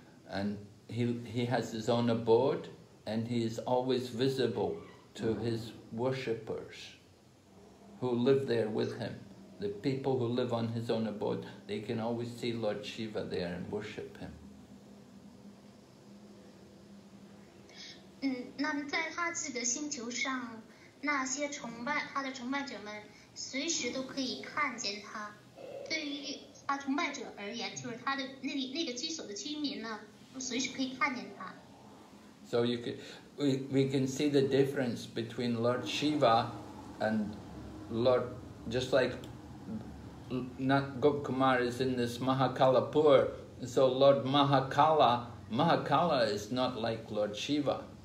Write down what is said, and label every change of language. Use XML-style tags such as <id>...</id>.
<en>And he has his own abode, and he is always visible to his worshippers who live there with him. The people who live on his own abode, they can always see Lord Shiva there and worship him.</en> <zh>那么在他自己的星球上，那些崇拜他的崇拜者们随时都可以看见他。对于他崇拜者而言，就是他的那个居所的居民呢，随时可以看见他。</zh> <en>So you could, we can see the difference between Lord Shiva and Lord, just like. Gop Kumar is in this Mahakalapur, so Lord Mahakala is not like Lord Shiva.</en>